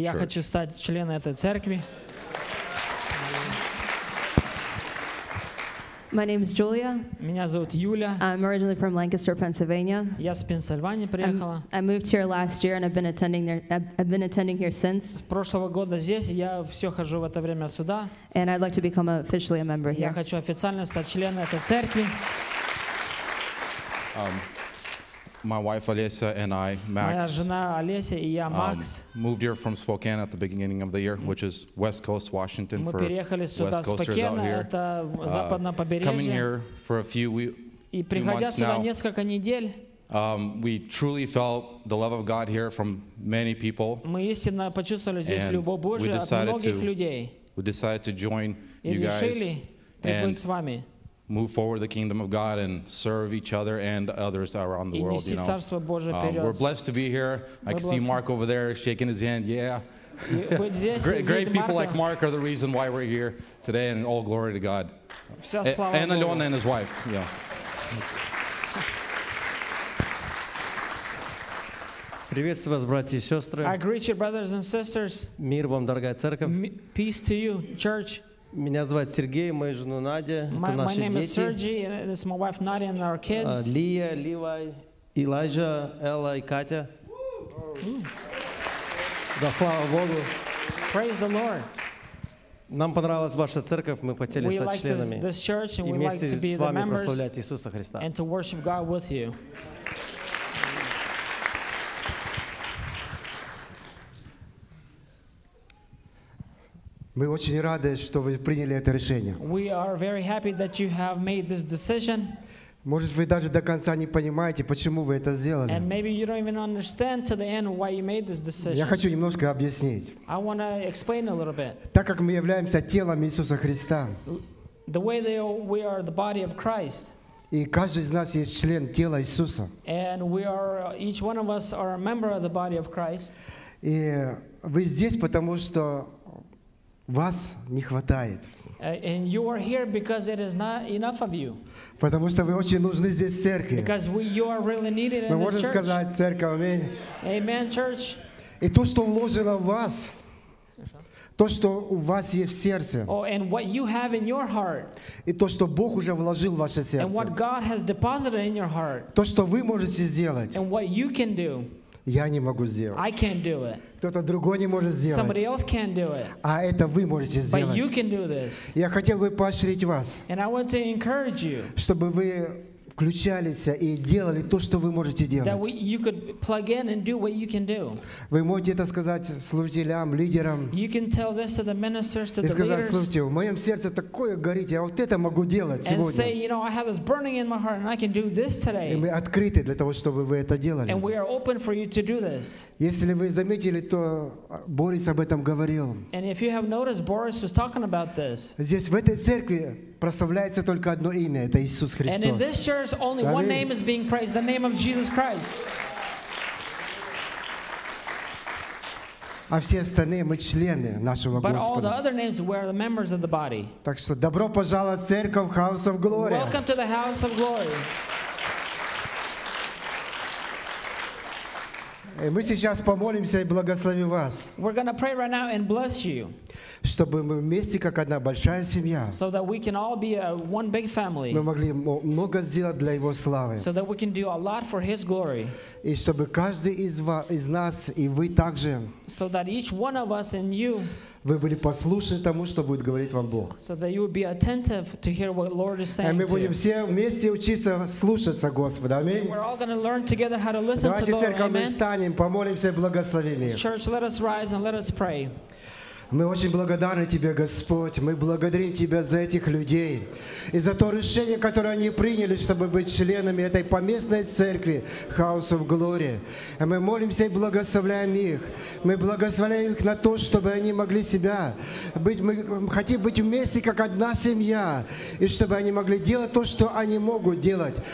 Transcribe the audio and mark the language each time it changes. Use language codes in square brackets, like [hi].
[ru] Я хочу стать членом этой церкви. [en] My name is Julia. [ru] Меня зовут Юля. [en] I'm originally from Lancaster, Pennsylvania. [ru] Я с Пенсильвании приехала. [en] I moved here last year and I've been attending here since. [ru] С прошлого года здесь, я все хожу в это время сюда. [en] And I'd like to become officially a member here. [ru] Я хочу официально стать членом этой церкви. [en] My wife Alessia and I, Max. [ru] Моя жена Олеся и я, Макс. [en] Moved here from Spokane at the beginning of the year, which is West Coast Washington. [ru] Мы переехали сюда, Спокана, это западное побережье. [en] Coming here for a few [ru] И приходя сюда несколько недель. [en] We truly felt the love of God here from many people. [ru] Мы истинно почувствовали здесь любовь Божию от многих людей. [en] We decided to join you guys. [ru] И решили прибыть с вами. [en] Move forward the kingdom of God and serve each other and others around the world. You know, we're blessed to be here. I can see Mark over there shaking his hand. Yeah. great people like Mark are the reason why we're here today, and all glory to God. And Alona and his wife. Yeah. [ru] Приветствую вас, братья и сестры. [en] I greet you, brothers and sisters. [ru] Мир вам, дорогая церковь. [en] Peace to you, church. [ru] Меня зовут Сергей, мою жену Надя, это наши дети. [en] My name is Sergey, this is my wife Nadia and our kids. [ru] Лия, Ливай, Илайджа, Элла и Катя. Да слава Богу. [en] Praise the Lord. [ru] Нам понравилась ваша церковь, мы хотели стать членами. [en] This church, and [ru] и вместе [en] like [ru] с вами прославлять Иисуса Христа. [en] And to worship God with you. [ru] Мы очень рады, что вы приняли это решение. [en] We are very happy that you have made this decision. [ru] Может, вы даже до конца не понимаете, почему вы это сделали. [en] And maybe you don't even understand to the end why you made this decision. [ru] Я хочу немножко объяснить. [en] I want to explain a little bit. [ru] Так как мы являемся телом Иисуса Христа. [en] The way that we are the body of Christ. [ru] И каждый из нас есть член тела Иисуса. [en] And we are each one of us are a member of the body of Christ. [ru] И вы здесь, потому что вас не хватает. [en] And you are here because it is not enough of you. [ru] Потому что вы очень нужны здесь церкви. [en] Because you are really needed in this church. [ru] Мы можем сказать церковь, аминь. [en] Amen, church. [ru] И то, что вложено в вас, то, что у вас есть в сердце. [en] Oh, and what you have in your heart. [ru] И то, что Бог уже вложил в ваше сердце. [en] And what God has deposited in your heart. [ru] То, что вы можете сделать. [en] And what you can do. [ru] Я не могу сделать. [en] I can't do it. [ru] Кто-то другой не может сделать. [en] Somebody else can't do it. [ru] А это вы можете сделать. [en] But you can do this. [ru] Я хотел бы поощрить вас. [en] And I want to encourage you. [ru] Чтобы вы включались и делали то, что вы можете делать. [en] That you could plug in and do what you can do. [ru] Вы можете это сказать служителям, лидерам. [en] You can tell this to the ministers, to the leaders. [ru] И сказать, слушайте, в моем сердце такое горит, я вот это могу делать сегодня. [en] And say, you know, I have this burning in my heart and I can do this today. [ru] И мы открыты для того, чтобы вы это делали. [en] And we are open for you to do this. [ru] Если вы заметили, то Борис об этом говорил. [en] And if you have noticed, Boris was talking about this. [ru] Здесь, в этой церкви, прославляется только одно имя, это Иисус Христос. [en] And in this church, only one name is being praised, the name of Jesus Christ. [ru] А все остальные мы члены нашего Господа. [en] But all the other names were the members of the body. [ru] Так что добро пожаловать в церковь House of Glory. [en] Welcome to the House of Glory. [ru] И мы сейчас помолимся и благословим вас. [en] We're gonna pray right now and bless you. [ru] Чтобы мы вместе, как одна большая семья, [en] so that we can all be one big family. [ru] Мы могли много сделать для Его славы. [en] So that we can do a lot for His glory. [ru] И чтобы каждый из нас, и вы также, [en] so that each one of us and you, [ru] вы были послушны тому, что будет говорить вам Бог. [en] So that you would be attentive to hear what the Lord is saying. [ru] И мы будем все вместе учиться слушаться Господа. Аминь. [en] We're all going to learn together how to listen [ru] Давайте [en] to the Lord. [ru] Давайте встанем, помолимся, благословим их. [en] Church, let us rise and let us pray. [ru] Мы очень благодарны Тебе, Господь. Мы благодарим Тебя за этих людей и за то решение, которое они приняли, чтобы быть членами этой поместной церкви House of Glory. И мы молимся и благословляем их. Мы благословляем их на то, чтобы они могли себя быть, мы хотим быть вместе, как одна семья, и чтобы они могли делать то, что они могут делать.